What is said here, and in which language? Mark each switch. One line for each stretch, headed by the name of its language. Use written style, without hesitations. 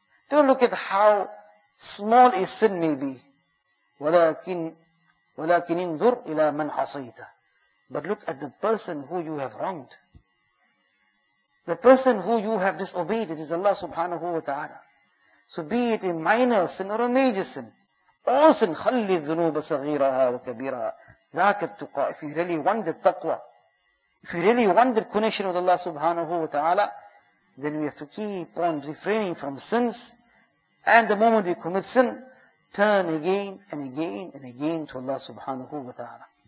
English: Don't look at how small a sin may be.
Arabic: وَلَكِنْ انْظُرْ إِلَى مَنْ عَصَيْتَ.
English: But look at the person who you have wronged. The person who you have disobeyed, it is Allah subhanahu wa ta'ala. So be it a minor sin or a major sin. All sin,
Arabic: خَلِّ الذُّنُوبَ صَغِيرَهَا وَكَبِيرَهَا ذَاكَ التُّقَى.
English: If you really want the taqwa, if you really want the connection with Allah subhanahu wa ta'ala, then we have to keep on refraining from sins. And the moment we commit sin, turn again and again and again to Allah subhanahu wa ta'ala.